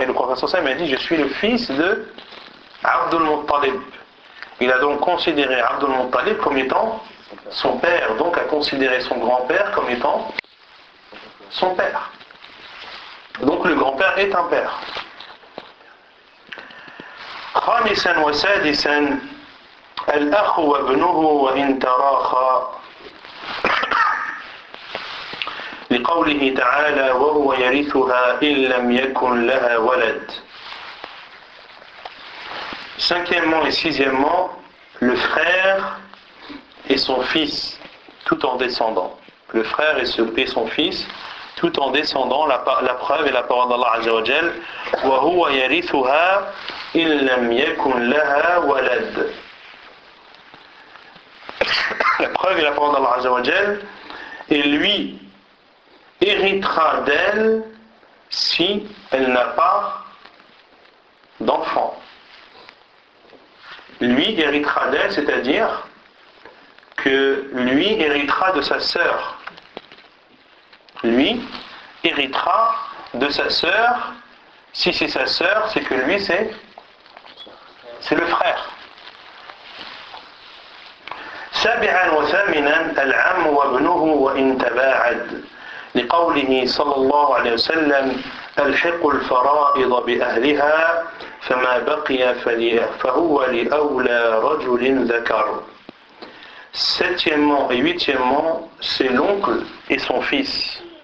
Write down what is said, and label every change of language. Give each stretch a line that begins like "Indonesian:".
French: Et le prophète sallallahu alayhi wa sallam a dit « Je suis le fils de Abdul Muttalib. » Il a donc considéré Abdul Muttalib comme étant son père, donc a considéré son grand-père comme étant son père. Donc le grand-père est un père.
Arabic: خامسا وسادسا الأخ وابنه وإن تراخا لقوله تعالى وهو يرثها إن لم يكن لها ولد.
French: Cinquièmement et sixièmement, le frère et son fils, tout en descendant. Le frère et son fils, tout en descendant, la preuve est la parole d'Allah Azza wa Jal.
Arabic: وَهُوَ يَرِثُهَا إِلْ لَمْ يَكُنْ لَهَا وَلَدْ.
French: La preuve est la parole d'Allah Azza wa Jal. Et lui héritera d'elle si elle n'a pas d'enfant. Lui héritera d'elle, c'est-à-dire que lui héritera de sa sœur. Lui héritera de sa sœur. Si c'est sa sœur, c'est que lui, c'est le frère.
Arabic: سابعا وثامنا العم وابنه وإن تباعد، لقوله صلى الله عليه وسلم ألحق الفرائض بأهلها فما بقي فهو لأولى رجل ذكر.
French: Septièmement et huitièmement, c'est l'oncle et son fils.